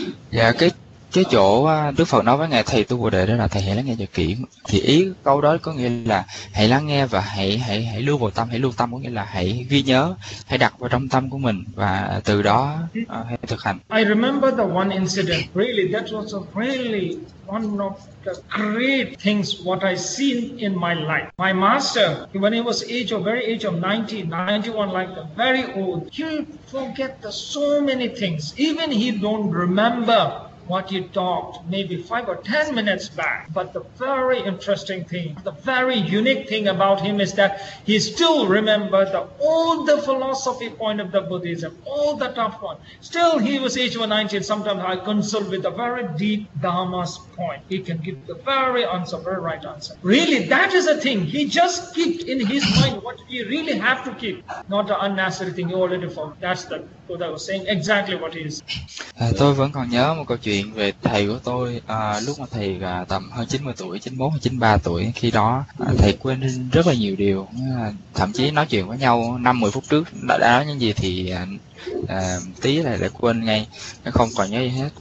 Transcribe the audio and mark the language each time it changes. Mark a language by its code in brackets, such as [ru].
[vi] Dạ, cái chỗ Đức Phật nói với ngài thầy Tu Bồ Đề đó là thầy hãy lắng nghe cho kỹ, thì ý câu đó có nghĩa là hãy lắng nghe và hãy lưu vào tâm, hãy lưu tâm có nghĩa là hãy ghi nhớ, hãy đặt vào trong tâm của mình và từ đó hãy thực hành. [en] I remember the one incident, really that was a really one of the great things what I seen in my life. My master, when he was age of very age of 90, 91, like the very old, he forget the so many things. Even he don't remember what you talked maybe 5 or 10 minutes back. But the very interesting thing, the very unique thing about him is that he still remembered the all the philosophy point of the Buddhism, all the tough one. Still, he was age of 19. Sometimes I consult with the very deep Dharma's point. He can give the very answer, very right answer. Really, that is a thing. He just kept in his mind what he really have to keep, not the unnecessary thing you already found. That's the Buddha was saying exactly what he is. [vi] Tôi vẫn còn nhớ một câu chuyện về thầy của tôi, lúc mà thầy tầm hơn 90 tuổi, 91, 93 tuổi, khi đó thầy quên rất là nhiều điều, thậm chí nói chuyện với nhau 5-10 phút trước đã nói những gì thì tí lại để quên ngay, không còn nhớ gì hết.